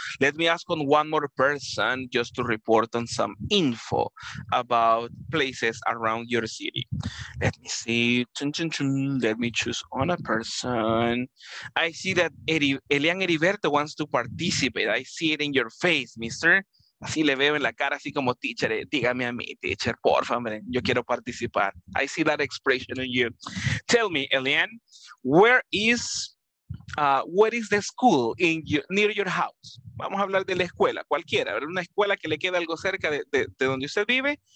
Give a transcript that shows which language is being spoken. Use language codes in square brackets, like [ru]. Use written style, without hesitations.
[en] Let me ask on one more person just to report on some info about places around your city. Let me see. Let me choose on a person. I see that Elian Heriberto wants to participate. I see it in your face, mister. [es] Así le veo en la cara, así como teacher, dígame a mí, teacher, por favor, yo quiero participar. [en] I see that expression in you. Tell me, Elian, where is the school in near your house? [es] Vamos a hablar de la escuela, cualquiera, una escuela que le quede algo cerca de donde usted vive.